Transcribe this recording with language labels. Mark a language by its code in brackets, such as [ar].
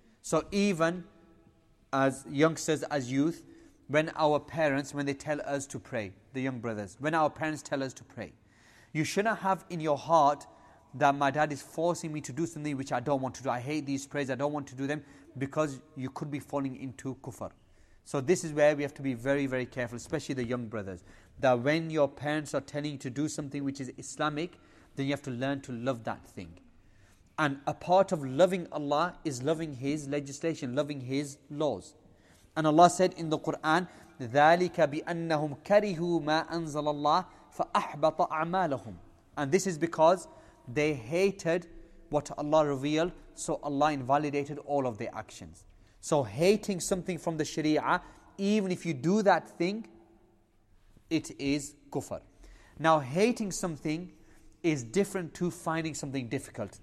[en] So even as youngsters, as youth, when our parents, when they tell us to pray, the young brothers, when our parents tell us to pray, you shouldn't have in your heart that my dad is forcing me to do something which I don't want to do. I hate these prayers, I don't want to do them, because you could be falling into kufr. So this is where we have to be very, very careful, especially the young brothers, that when your parents are telling you to do something which is Islamic, then you have to learn to love that thing. And a part of loving Allah is loving His legislation, loving His laws. And Allah said in the Quran, [ar] ذَلِكَ بِأَنَّهُمْ كَرِهُوا مَا أَنزَلَ اللَّهِ فَأَحْبَطَ أَعْمَالَهُمْ. [en] And this is because they hated what Allah revealed, so Allah invalidated all of their actions. So hating something from the Sharia, even if you do that thing, it is kufr. Now hating something is different to finding something difficult.